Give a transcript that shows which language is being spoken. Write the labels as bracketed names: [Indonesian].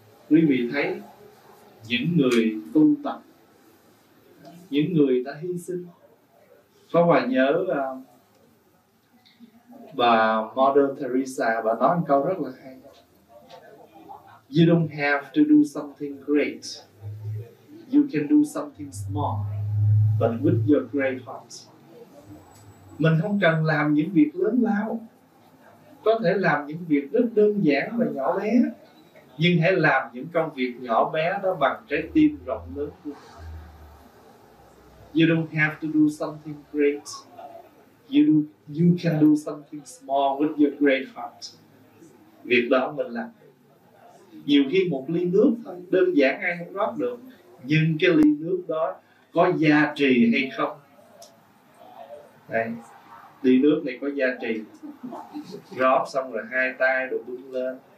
[Vietnamese] Quý vị thấy những người tu tập, những người đã hy sinh. Pháp Hòa nhớ bà Mother Teresa, bà nói một câu rất là hay: [English] "You don't have to do something great. You can do something small, but with your great heart." [Vietnamese] Mình không cần làm những việc lớn lao, có thể làm những việc rất đơn giản và nhỏ bé, nhưng hãy làm những công việc nhỏ bé đó bằng trái tim rộng lớn. [English] You don't have to do something great. You can do something small with your great heart. [Vietnamese] Việc đó mình làm. Nhiều khi một ly nước thôi, đơn giản ai cũng rót được, nhưng cái ly nước đó có giá trị hay không? Đây, ly nước này có giá trị. Rót xong rồi hai tay đổ bưng lên.